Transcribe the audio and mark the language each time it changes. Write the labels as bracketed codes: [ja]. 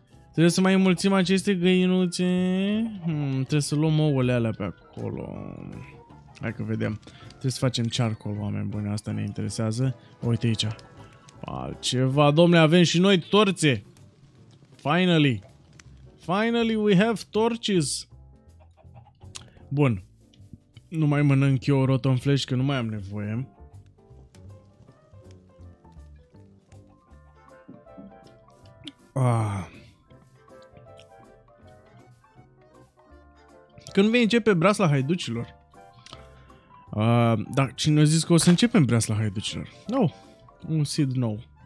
[ro] Trebuie să mai înmulțim aceste găinuțe. Trebuie să luăm ouăle alea pe acolo. Hai că vedem. Trebuie să facem charcoal, oameni buni. Asta ne interesează. Uite aici. Altceva, domnule, avem și noi torțe. [en] Finally we have torches. [ro] Bun. Nu mai mănânc eu rotten flesh, că nu mai am nevoie. Când vei începe breasla haiducilor? Da, cine a zis că o să începem breasla haiducilor? No. Un seed nou.